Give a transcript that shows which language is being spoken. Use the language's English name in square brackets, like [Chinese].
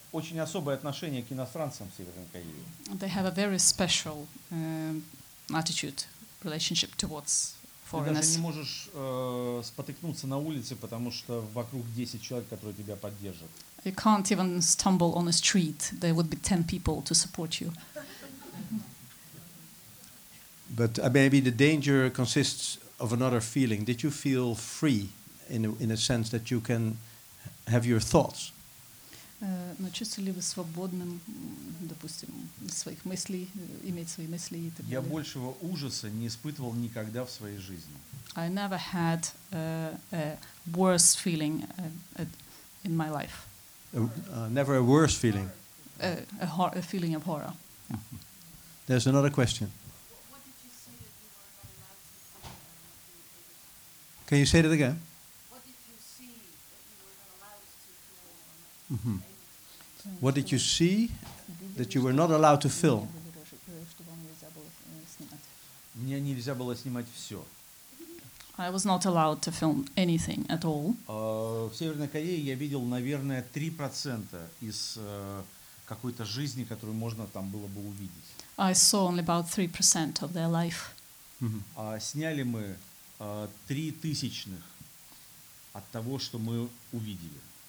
[Russian] Очень особое отношение к иностранцам в Северной Корее. [English] They have a very special attitude, relationship towards foreigners. [Russian] Ты даже не можешь спотыкнуться на улице, потому что вокруг 10 человек, которые тебя поддержат. [English] You can't even stumble on a street. There would be 10 people to support you. But maybe the danger consists of another feeling. Did you feel free in a sense that you can have your thoughts? [Russian] Но чувствовали ли вы свободным, допустим, своих мыслей, иметь свои мысли и так далее? Я большего ужаса не испытывал никогда в своей жизни. [English] I never had a worse feeling in my life. Never a worse feeling. A feeling of horror. Yeah. There's another question. What did you say that you were not allowed to film? Can you say that again? What did you see that you were not allowed to film? Mm-hmm. What did you see that you were not allowed to film? [Russian] Мне нельзя было снимать все. [English] I was not allowed to film anything at all. [Russian] В Северной Корее я видел, наверное, 3% из какой-то жизни, которую можно там было бы увидеть. [English] I saw only about 3% of their life. [Russian] А сняли мы 0.003 от того, что мы увидели.